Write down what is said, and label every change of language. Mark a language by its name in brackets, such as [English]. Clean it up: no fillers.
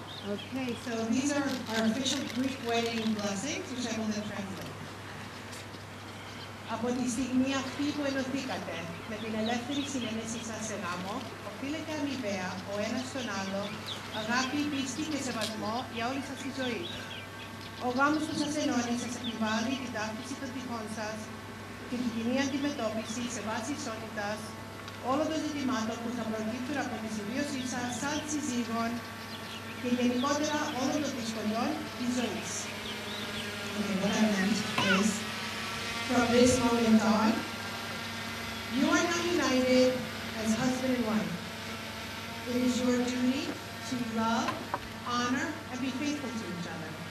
[English] Okay, so these are our official Greek wedding blessings, which I will then translate. [Greek] Από τη στιγμή αυτή που ενωθήκατε με την ελεύθερη συνένεσή σας σε γάμο, οφείλετε αμοιβαία ο ένας στον άλλο αγάπη, πίστη και σεβασμό για όλη σας τη ζωή. Ο γάμος που σας ενώνει σας επιβάλλει την ταύτιση των τυχών σας και την κοινή αντιμετώπιση σε βάση ισότητας όλων των ζητημάτων που θα προκύπτουν από τη συμβίωσή σας σαν Salzi Sigon, in den Modena Ordo di Spagnol, Isolis. [English] Okay, what I meant is, from this moment on, you are now united as husband and wife. It is your duty to love, honor, and be faithful to each other.